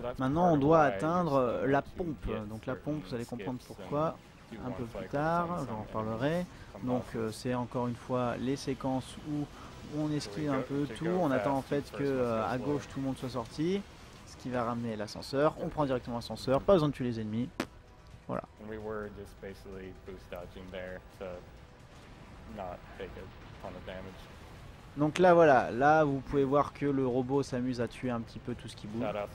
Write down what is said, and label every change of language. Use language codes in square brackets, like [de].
[fr] Maintenant, on doit atteindre la pompe. Donc la pompe, vous allez comprendre pourquoi un peu plus tard, j'en reparlerai. Donc c'est encore une fois les séquences où on esquive un peu tout, on attend en fait que à gauche tout le monde soit sorti, ce qui va ramener l'ascenseur, on prend directement l'ascenseur, pas besoin de tuer les ennemis. Voilà. [en] And we were just basically boost dodging there to not take a ton of damage. [fr] Donc là voilà, là vous pouvez voir que le robot s'amuse à tuer un petit peu tout ce qui bouge.